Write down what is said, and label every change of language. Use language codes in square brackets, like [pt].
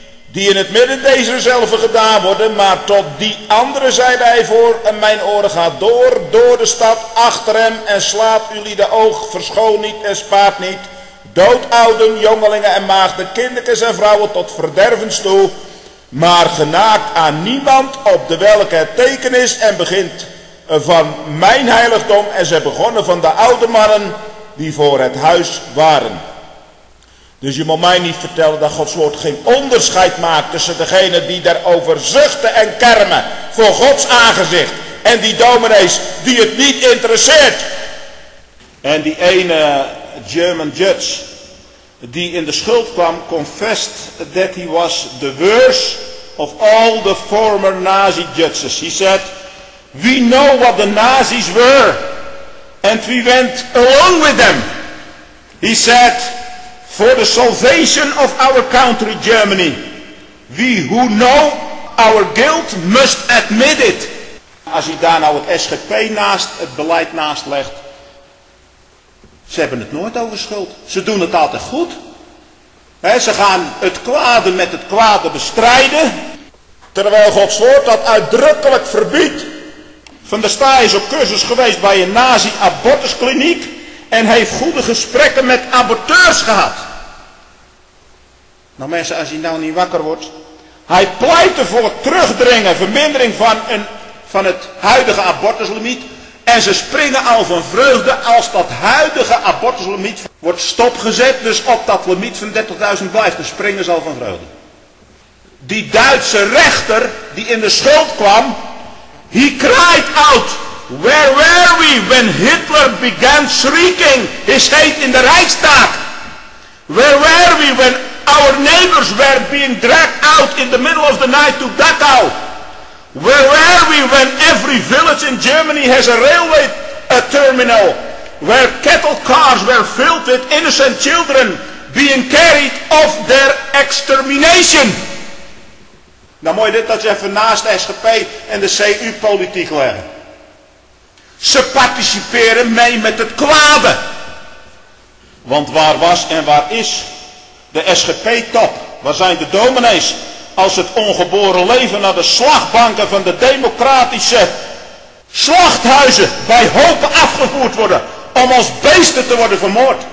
[nl] Die in het midden dezezelfde gedaan worden, maar tot die andere zeide hij voor, en mijn oren gaat door de stad, achter hem, en slaat jullie de oog, verschoon niet en spaart niet, dood ouden, jongelingen en maagden, kindertjes en vrouwen tot verdervens toe, maar genaakt aan niemand op de welke het teken is, en begint van mijn heiligdom, en ze begonnen van de oude mannen die voor het huis waren. Dus je moet mij niet vertellen dat Gods woord geen onderscheid maakt tussen degenen die daarover zuchten en kermen voor Gods aangezicht. En die dominees die het niet interesseert. En die ene [en] German judge [nl] die in de schuld kwam, [en] confessed that he was the worst of all the former Nazi judges. He said, we know what the Nazis were and we went along with them. He said, for the salvation of our country, Germany. We who know our guilt must admit it. [nl] Als je daar nou het SGP naast, het beleid naast legt. Ze hebben het nooit over schuld. Ze doen het altijd goed. He, ze gaan het kwade met het kwade bestrijden. Terwijl Gods woord dat uitdrukkelijk verbiedt. Van der Staaij is op cursus geweest bij een nazi-abortuskliniek. En heeft goede gesprekken met aborteurs gehad. Nou mensen, als hij nou niet wakker wordt. Hij pleitte voor terugdringen, vermindering van het huidige abortuslimiet. En ze springen al van vreugde als dat huidige abortuslimiet wordt stopgezet. Dus op dat limiet van 30.000 blijft, dan springen ze al van vreugde. Die Duitse rechter die in de schuld kwam, [en] he cried out, where were we when Hitler began shrieking his hate [nl] in de [en] Reichstag? Where were we when Our neighbors were being dragged out in the middle of the night to Dachau. Where were we when every village in Germany has a railway terminal? Where cattle cars were filled with innocent children being carried off their extermination? [nl] Nou moet je dit dat even naast de SGP en de CU politiek leggen. Ze participeren mee met het kwade. Want waar was en waar is de SGP-top? Waar zijn de dominees als het ongeboren leven naar de slagbanken van de democratische slachthuizen bij hopen afgevoerd worden om als beesten te worden vermoord?